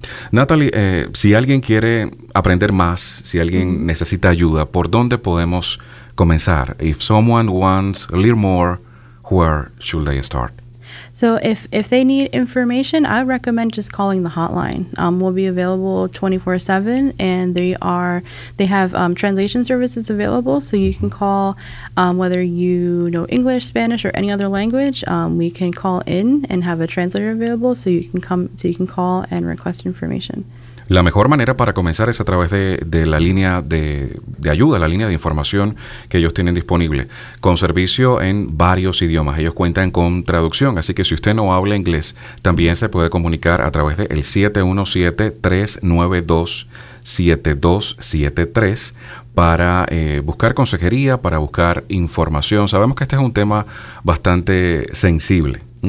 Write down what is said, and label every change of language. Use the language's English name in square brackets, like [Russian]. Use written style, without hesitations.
[Spanish] Natalie, si alguien quiere aprender más, si alguien necesita ayuda, ¿por dónde podemos comenzar? [English] If someone wants a little more, where should they start? So if they need information, I recommend just calling the hotline. We'll be available 24/7, and they have translation services available, so you can call whether you know English, Spanish, or any other language. We can call in and have a translator available, so you can call and request information. [Spanish] La mejor manera para comenzar es a través de la línea de ayuda, la línea de información que ellos tienen disponible, con servicio en varios idiomas. Ellos cuentan con traducción, así que si usted no habla inglés, también se puede comunicar a través del 717-392-7273 para buscar consejería, para buscar información. Sabemos que este es un tema bastante sensible.